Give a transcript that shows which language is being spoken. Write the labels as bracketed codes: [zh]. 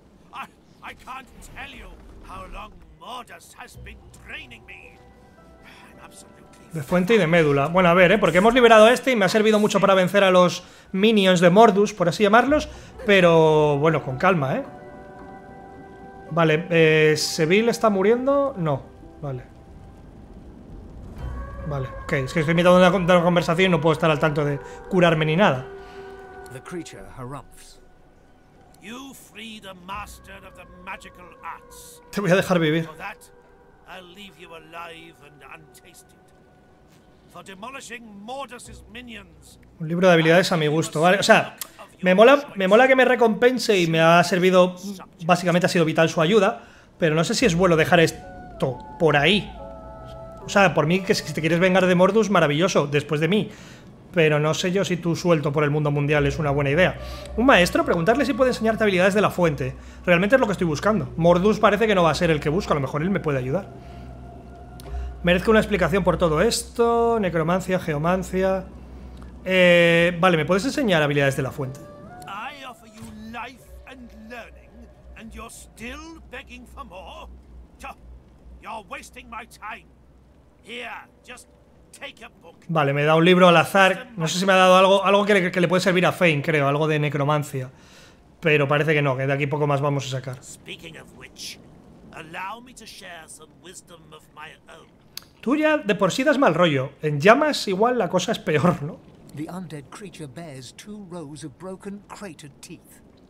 [en] I can't tell you how long Mordas has been draining me. [es] De fuente y de médula. Bueno, a ver, porque hemos liberado a este y me ha servido mucho para vencer a los minions de Mordus, por así llamarlos, pero bueno, con calma, ¿eh? Vale, ¿Seville está muriendo? No, vale. Vale, ok, es que estoy invitado a una conversación y no puedo estar al tanto de curarme ni nada. La criatura harumphs. [en] You free the master of the magical arts. [es] Te voy a dejar vivir. [en] For that, I'll leave you alive and untasted. For demolishing Mordus's minions. [es] Un libro de habilidades a mi gusto, vale, o sea... Me mola que me recompense y me ha servido, básicamente ha sido vital su ayuda, pero no sé si es bueno dejar esto por ahí. O sea, por mí, que si te quieres vengar de Mordus, maravilloso, después de mí. Pero no sé yo si tu suelto por el mundo mundial es una buena idea. Un maestro, preguntarle si puede enseñarte habilidades de la fuente. Realmente es lo que estoy buscando. Mordus parece que no va a ser el que busco, a lo mejor él me puede ayudar. Merezco una explicación por todo esto, necromancia, geomancia... vale, ¿me puedes enseñar habilidades de la fuente? [en] offer you life and learning, and you're still begging for more? You're wasting my time. Here, just take a book. [es] Vale, me da un libro al azar. No sé si me ha dado algo que le puede servir a Fane, creo, algo de necromancia. Pero parece que no, que de aquí poco más vamos a sacar. [en] Speaking of which, allow me to share some wisdom of my own. [es] Tú ya de por sí das mal rollo. En llamas igual la cosa es peor, ¿no? [en] The undead creature bears two rows of broken, cratered teeth.